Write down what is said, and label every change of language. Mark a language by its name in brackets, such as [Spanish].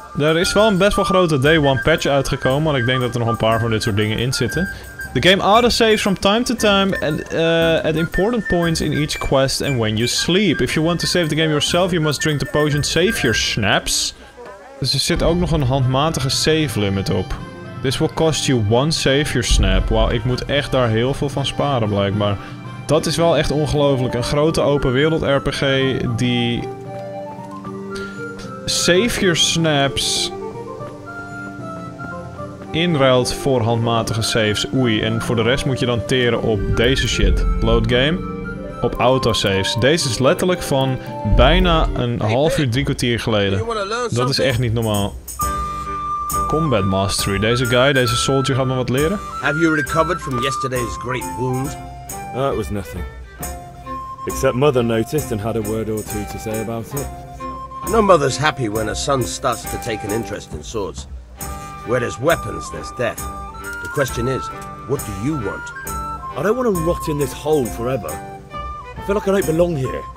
[Dutch] Er is wel een best wel grote day one patch uitgekomen, maar ik denk dat er nog een paar van dit soort dingen in zitten. [English] The game auto-saves from time to time and at important points in each quest and when you sleep. If you want to save the game yourself, you must drink the potion Savior Schnapps. [Dutch] Dus er zit ook nog een handmatige save limit op. [English] This will cost you one Savior Schnapp. [Dutch] Wow, ik moet echt daar heel veel van sparen blijkbaar. Dat is wel echt ongelooflijk. Een grote open wereld RPG die... Savior Schnapps... inruilt voor handmatige saves. Oei, en voor de rest moet je dan teren op deze shit. Load game. Op autosaves. Deze is letterlijk van bijna een half uur, drie kwartier geleden. Dat is echt niet normaal. Combat mastery. Deze guy, deze soldier gaat me wat leren. [English] Have you recovered from yesterday's great wound? It was nothing. Except mother noticed and had a word or two to say about it. No mother's happy when a son starts to take an interest in swords. Where there's weapons, there's death. The question is, what do you want? I don't want to rot in this hole forever. I feel like I don't belong here.